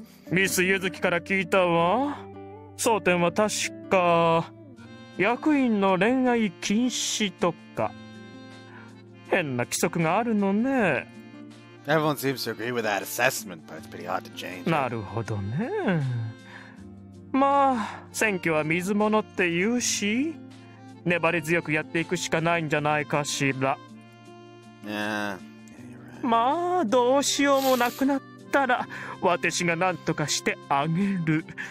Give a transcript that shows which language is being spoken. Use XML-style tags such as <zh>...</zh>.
<ja>ミス・ユズキから聞いたわ。争点は確か役員の恋愛禁止とか変な規則があるのね。</ja> <en>Everyone seems to agree with that assessment, but it's pretty hard to change.</en> <ja>なるほどね。まあ選挙は水物って言うし粘り強くやっていくしかないんじゃないかしら。</ja> <en>Yeah, you're right.</en> <ja>まあどうしようもなくなってたら私が何とかしてあげる。</ja>